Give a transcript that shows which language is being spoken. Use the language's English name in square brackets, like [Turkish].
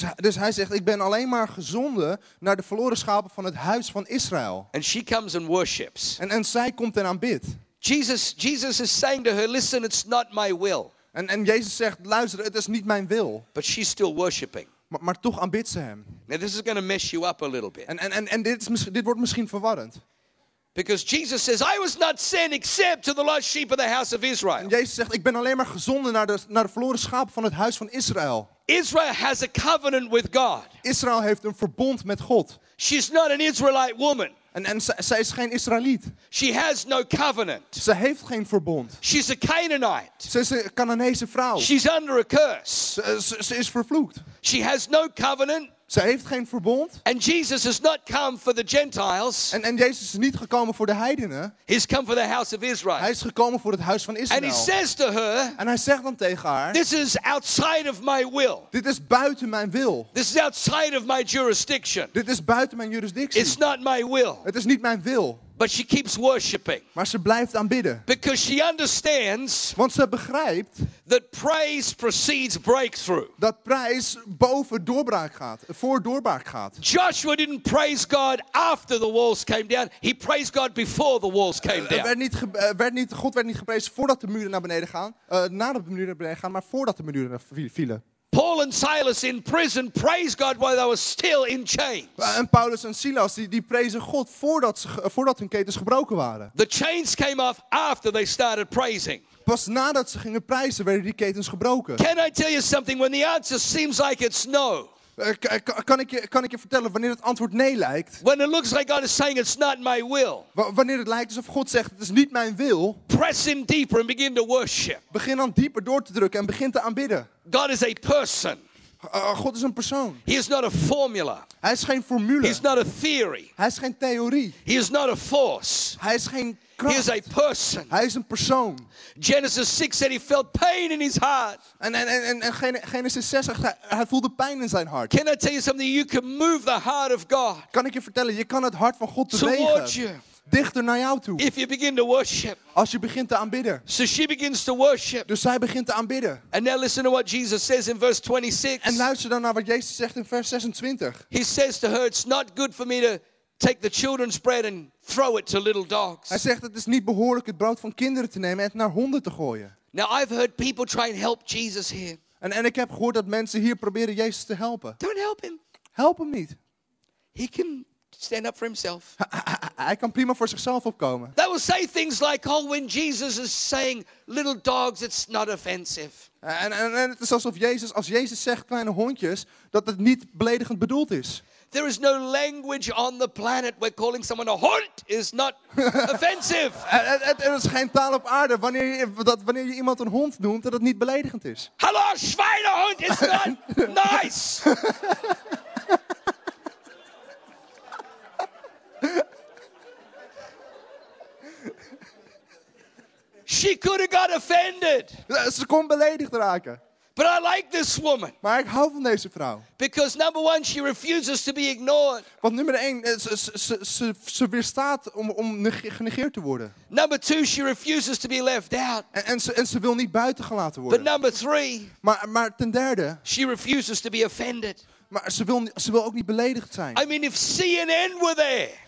[Dutch] Dus hij zegt ik ben alleen maar gezonden naar de verloren schapen van het huis van Israël. [English] And she comes and worships. [Dutch] En zij komt en aanbidt. [English] Jesus is saying to her listen it's not my will. [Dutch] En Jezus zegt, luister, het is niet mijn wil. [English] But she's still worshiping. [Dutch] Maar toch aanbidt ze hem. [English] Now this is going to mess you up a little bit. [Dutch] En dit wordt misschien verwarrend. [English] Because Jesus says, I was not sent except to the lost sheep of the house of Israel. [Dutch] En Jezus zegt, ik ben alleen maar gezonden naar de verloren schapen van het huis van Israël. [English] Israel has a covenant with God. [Dutch] Israël heeft een verbond met God. [English] She's not an Israelite woman. [Dutch] En zij is geen Israëliet. [English] She has no covenant. [Dutch] Ze heeft geen verbond. [English] She's a Canaanite. [Dutch] Ze is een Canaanese vrouw. [English] She's under a curse. [Dutch] Ze is vervloekt. [English] She has no covenant. [Dutch] Ze heeft geen verbond. [English] And Jesus has not come for the Gentiles. [Dutch] En Jezus is niet gekomen voor de heidenen. [English] He's come for the house of Israel. [Dutch] Hij is gekomen voor het huis van Israël. [English] And he says to her, [Dutch] en hij zegt dan tegen haar. [English] This is outside of my will. [Dutch] Dit is buiten mijn wil. [English] This is outside of my jurisdiction. [Dutch] Dit is buiten mijn jurisdictie. [English] It's not my will. [Dutch] Het is niet mijn wil. [English] But she keeps worshiping. [Dutch] Maar ze blijft aanbidden. [English] Because she understands. [Dutch] Want ze begrijpt. [English] That praise precedes breakthrough. [Dutch] Dat prijs boven doorbraak gaat, voor doorbraak gaat. [English] Joshua didn't praise God after the walls came down. He praised God before the walls came down. [Dutch] God werd niet geprezen voordat de muren naar beneden gaan, nadat de muren naar beneden gaan, maar voordat de muren vielen. [English] Paul and Silas in prison praise God while they were still in chains. [Dutch] En Paulus en Silas die prezen God voordat hun ketens gebroken waren. [English] The chains came off after they started praising. [Dutch] Pas nadat ze gingen prijzen werden die ketens gebroken. [English] Can I tell you something when the answer seems like it's no? [Dutch] Kan ik je vertellen wanneer het antwoord nee lijkt? [English] When it looks like God is saying it's not my will. [Dutch] Wanneer het lijkt alsof God zegt het is niet mijn wil. [English] Press in deeper and begin to worship. [Dutch] Begin dan dieper door te drukken en begin te aanbidden. [English] God is a person. [Dutch] God is een persoon. [English] He is not a formula. [Dutch] Hij is geen formule. [English] He is not a theory. [Dutch] Hij is geen theorie. [English] He is not a force. [Dutch] Hij is geen kracht. [English] He is a person. [Dutch] Hij is een persoon. [English] Genesis 6 said he felt pain in his heart. [Dutch] En Genesis 6 zegt hij voelde pijn in zijn hart. [English] Can I tell you something? You can move the heart of God. [Dutch] Kan ik je vertellen? Je kan het hart van God bewegen. [English] Towards you. [Dutch] Dichter naar jou toe. [English] If you begin to worship. [Dutch] Als je begint te aanbidden. [English] So she begins to worship. [Dutch] Dus zij begint te aanbidden. [English] And now listen to what Jesus says in verse 26. [Dutch] En luister dan naar wat Jezus zegt in vers 26. [English] He says to her, it's not good for me to take the children's bread and throw it to little dogs. [Dutch] Hij zegt, het is niet behoorlijk het brood van kinderen te nemen en het naar honden te gooien. [English] Now I've heard people try and help Jesus here. [Dutch] En ik heb gehoord dat mensen hier proberen Jezus te helpen. [English] Don't help him. [Dutch] Help hem niet. [English] He can stand up for himself. [Dutch] Hij kan prima voor zichzelf opkomen. [English] They will say things like, oh, when Jesus is saying little dogs, it's not offensive. [Dutch] En het is alsof Jezus, als Jezus zegt kleine hondjes, dat het niet beledigend bedoeld is. [English] There is no language on the planet where calling someone a hond is not offensive. [Dutch] Er is geen taal op aarde wanneer je iemand een hond noemt, dat het niet beledigend is. [German] Hallo, schweinehond, [English] is not nice. She could have got offended. [Dutch] Ze kon beledigd raken. [English] But I like this woman. [Dutch] Maar ik hou van deze vrouw. [English] Because number one, she refuses to be ignored. [Dutch] Want nummer 1, ze weerstaat om genegeerd te worden. [English] Number 2, she refuses to be left out. [Dutch] En ze wil niet buitengelaten worden. [English] But number 3, [Dutch] maar ten derde, [English] she refuses to be offended. [Dutch] Maar ze wil ook niet beledigd zijn. [English] I mean, if CNN were there.